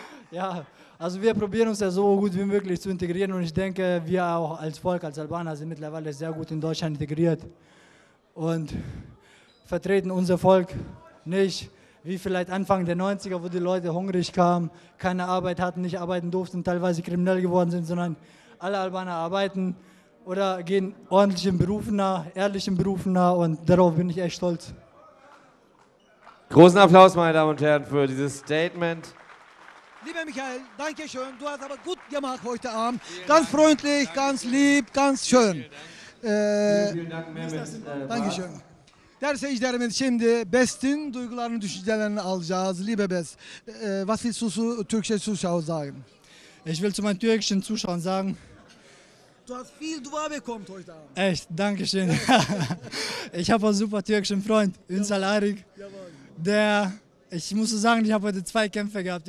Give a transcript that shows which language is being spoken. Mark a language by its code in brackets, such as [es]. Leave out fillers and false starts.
[de] Ja, also wir probieren uns ja so gut wie möglich zu integrieren und ich denke, wir auch als Volk, als Albaner sind mittlerweile sehr gut in Deutschland integriert und vertreten unser Volk nicht wie vielleicht Anfang der 90er, wo die Leute hungrig kamen, keine Arbeit hatten, nicht arbeiten durften, teilweise kriminell geworden sind, sondern alle Albaner arbeiten oder gehen ordentlichen Berufen nach, ehrlichen Berufen nach und darauf bin ich echt stolz. Großen Applaus, meine Damen und Herren, für dieses Statement. Lieber Michael, danke schön. Du hast aber gut gemacht heute Abend. Ganz freundlich, ganz lieb, ganz schön. Vielen Dank, Mehmet. Danke schön. [tr] Der seyircilerimiz şimdi Best'in duygularını, düşüncelerini alacağız. [de] Liebe Best, was willst du zu türkischen Zuschauern sagen? Ich will zu meinen türkischen Zuschauern sagen. Du hast viel Dua bekommen heute Abend. Echt, danke schön. Ich habe einen super türkischen Freund, Ünsal Arik. Der, ich muss sagen, ich habe heute zwei Kämpfe gehabt.